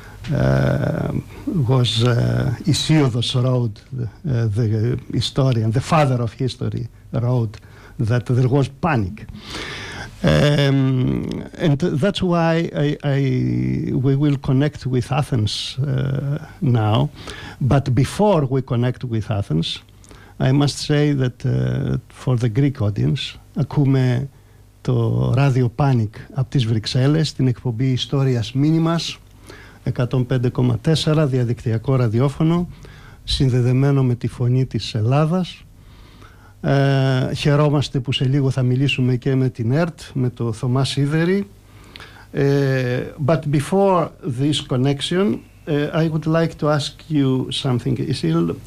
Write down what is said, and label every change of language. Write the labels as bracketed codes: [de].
[en] was Hesiodos wrote the historian, the father of history, wrote that there was panic, and that's why we will connect with Athens now. But before we connect with Athens, I must say that for the Greek audience, [el] ακούμε το Radio Panic από τις Βρυξέλλες, την εκπομπή Ιστορίας Μίνιμας, 105,4 διαδικτυακό ραδιόφωνο, συνδεδεμένο με τη φωνή της Ελλάδας. Χαιρόμαστε που σε λίγο θα μιλήσουμε και με την ΕΡΤ, με το Θωμά Σίδερη. [en] But before this connection, I would like to ask you something, Isil.